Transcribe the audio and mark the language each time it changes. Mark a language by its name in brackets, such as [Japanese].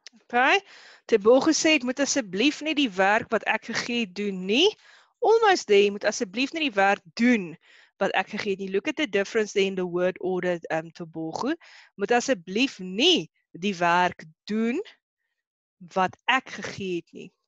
[Afrikaans] Okay, Tebogo sê, het moet asseblief nie die werk wat ek gegee doen nie. [English] Almost there, [Afrikaans] moet asseblief nie die werk doen wat ek gegee nie. [English] Look at the difference there in the word order to Borgo. [Afrikaans] Moet asseblief nie die werk doen wat ek gegee het nie.